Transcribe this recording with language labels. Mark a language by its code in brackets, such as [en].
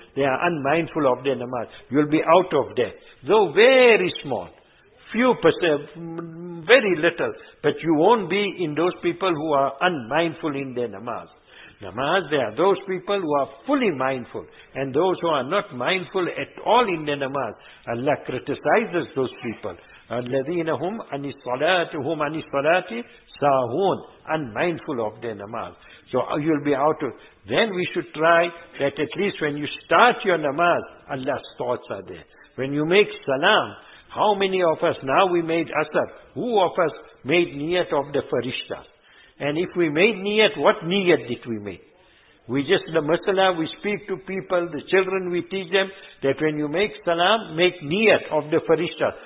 [en] They are unmindful of their namaz. You'll be out of death. Though very small, few percent, very little, but you won't be in those people who are unmindful in their namaz. Namaz, they are those people who are fully mindful, and those who are not mindful at all in their namaz, Allah criticizes those people. [ar] الَّذِينَ هُمْ عَنِ الصَّلَاةِ سَاهُونَ, [en] unmindful of their namaz. So you'll be out of... Then we should try that at least when you start your namaz, Allah's thoughts are there. When you make salam, how many of us, now we made asar, who of us made niyat of the farishta? And if we made niyat, what niyat did we make? We just, the masala, we speak to people, the children, we teach them that when you make salam, make niyat of the farishta.